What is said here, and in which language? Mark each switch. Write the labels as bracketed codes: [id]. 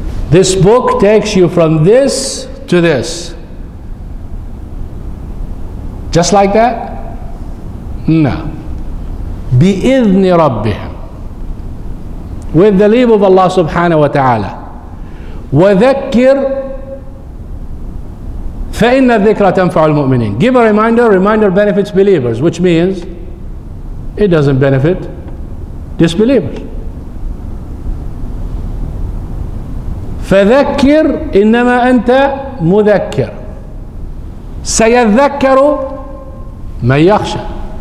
[en] This book takes you from this to this. Just like that? No. [ar] بِإِذْنِ رَبِّهِمْ [en] With the leave of Allah subhanahu wa ta'ala. [ar] وَذَكِّرْ فَإِنَّ الذِّكْرَ تَنْفَعُ الْمُؤْمِنِينَ [en] Give a reminder. Reminder benefits believers, which means it doesn't benefit disbelievers. [ar] فَذَكِّرْ إِنَّمَا أَنْتَ مُذَكِّرٌ سَيَذَّكَّرُ مَنْ يَخْشَى